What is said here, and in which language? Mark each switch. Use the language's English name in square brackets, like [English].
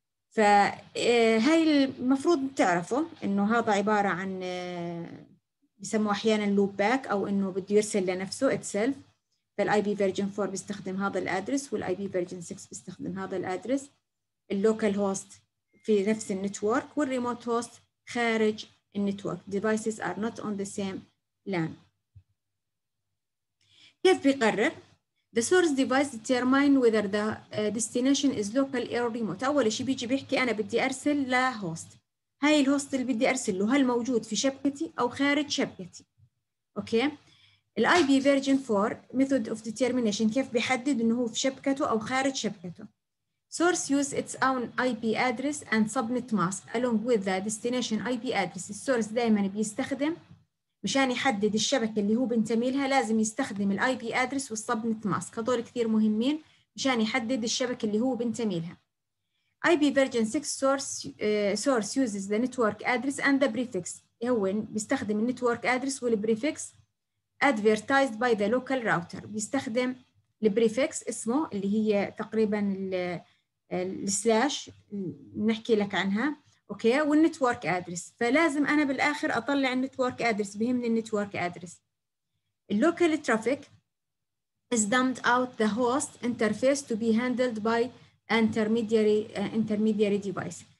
[Arabic] فهي المفروض تعرفوا انه هذا عباره عن يسموه أحيانا loop back أو إنه بده يرسل لنفسه itself. فالاي بي فيرجن 4 بيستخدم هذا الادرس والاي بي فيرجن 6 بيستخدم هذا الادرس. اللوكال هوست في نفس النتورك والريموت هوست خارج النتورك. [English] devices are not on the same LAN. [Arabic] كيف بيقرر؟ [English] The source device determine whether the destination is local or remote. [Arabic] أول شيء بيجي بيحكي أنا بدي أرسل لهوست. هاي الهوست اللي بدي أرسل له هل موجود في شبكتي أو خارج شبكتي؟ أوكي؟ الاي بي فيرجن 4 ميثود اوف ديتيرمينيشن كيف بيحدد انه هو في شبكته او خارج شبكته. [English] Source uses its own I P address and subnet mask along with the destination I P address. [Arabic] السورس دائما بيستخدم مشان يحدد الشبكه اللي هو بينتمي لها لازم يستخدم الاي بي ادرس والسبنت ماسك، هذول كثير مهمين مشان يحدد الشبكه اللي هو بينتمي لها. [English] I P version 6 source uses the network address and the prefix, [Arabic] هو بيستخدم النتورك ادرس والبريفكس [English] advertised by the local router. [Arabic] بيستخدم البريفكس اسمه اللي هي تقريبا السلاش نحكي لك عنها اوكي والنتورك ادرس. فلازم انا بالاخر اطلع النتورك ادرس، بهمني النتورك ادرس. [English] اللوكال traffic is dumped out the host interface to be handled by intermediary device.